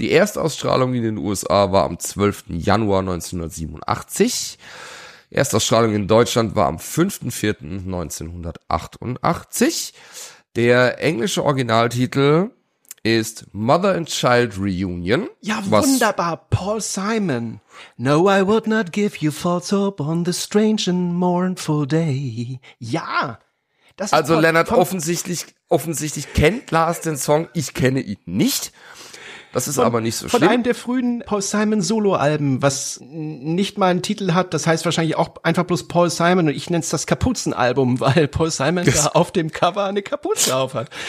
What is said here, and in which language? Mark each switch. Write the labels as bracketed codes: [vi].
[de] Die Erstausstrahlung in den USA war am 12. Januar 1987. Erstausstrahlung in Deutschland war am 5.4.1988. Der englische Originaltitel ist Mother and Child Reunion. Ja, wunderbar, Paul Simon. [en] No, I would not give you false hope on this strange and mournful day. [de] Ja, das ist also Lennart, offensichtlich kennt Lars den Song, ich kenne ihn nicht. Das ist aber nicht so schlimm. Von einem der frühen Paul Simon Solo-Alben, was nicht mal einen Titel hat, das heißt wahrscheinlich auch einfach bloß Paul Simon und ich nenne es das Kapuzenalbum, weil Paul Simon da auf dem Cover eine Kapuze auf hat.